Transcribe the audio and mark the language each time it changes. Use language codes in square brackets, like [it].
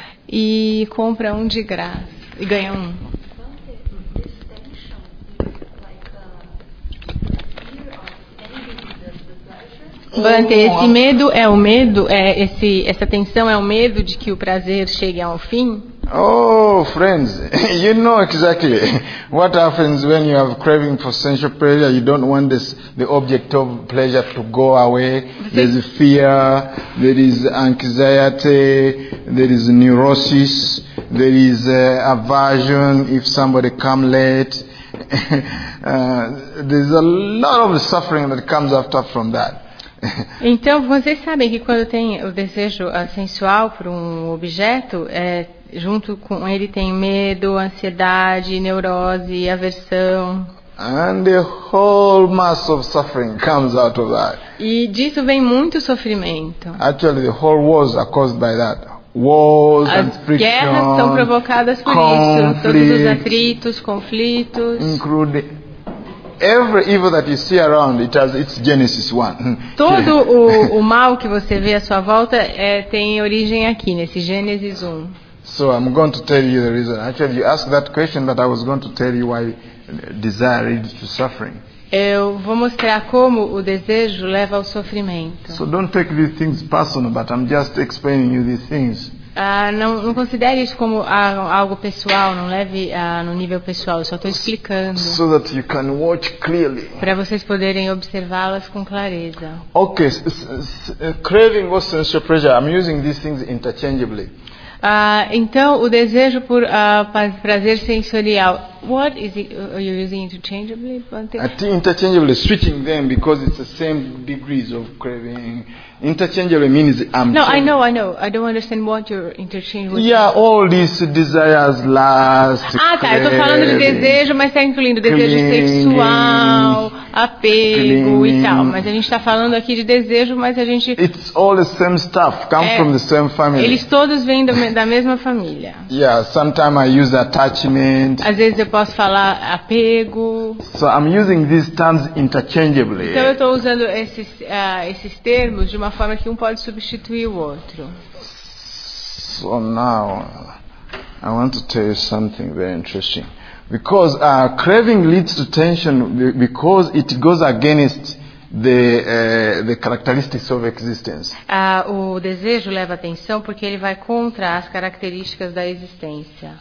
[pt] e compra um de graça e ganha um. Bante, esse medo é o medo, essa tensão é o medo de que o prazer chegue ao fim? [en] Oh, friends, you know exactly what happens when you have craving for sensual pleasure. You don't want the object of pleasure to go away. There is fear, there is anxiety, there is neurosis, there is aversion if somebody come late. There's a lot of suffering that comes after from that. [pt] Então, vocês sabem que quando tem o desejo sensual por um objeto, junto com ele tem medo, ansiedade, neurose, aversão. [en] And the whole mass of suffering comes out of that. [pt] E disso vem muito sofrimento. [en] Actually, the whole wars are caused by that. Wars and friction. [pt] As guerras são provocadas por [en] conflict, [pt] isso. Todos os atritos, conflitos. [en] Include every evil that you see around, it has its Genesis 1. [pt] Todo o mal que você vê à sua volta tem origem aqui, nesse Gênesis 1. [en] So I'm going to tell you the reason. Actually, you asked that question, but I was going to tell you why desire leads to suffering. [pt] Eu vou mostrar como o desejo leva ao sofrimento. [en] So don't take these things personal, but I'm just explaining you these things. [pt] Não considere isso como algo pessoal, não leve no nível pessoal, eu só estou explicando. [en] So that you can watch clearly. [pt] Para vocês poderem observá-las com clareza. [en] Okay, craving or sensual pleasure, I'm using these things interchangeably. [pt] Então, o desejo por prazer sensorial. [en] What is it you using interchangeably? Interchangeably, switching them because it's the same degrees of craving. Interchangeably means I'm. No, I know. I don't understand what you're interchangeably. Yeah, with. All these desires last. [pt] Ah, tá. Eu tô falando de desejo, mas tá incluindo desejo sexual, apego e tal. Mas a gente tá falando aqui de desejo, mas a gente. [en] It's all the same stuff. Come from the same family. [pt] Eles todos vêm da mesma família. [en] Yeah, sometimes I use attachment. [pt] Às vezes eu posso falar apego. [en] So I'm using these terms interchangeably. [pt] Então eu estou usando esses termos de uma forma que um pode substituir o outro. [en] So now I want to tell you something very interesting, because craving leads to tension because it goes against the characteristics of existence. [pt] O desejo leva atenção porque ele vai contra as características da existência.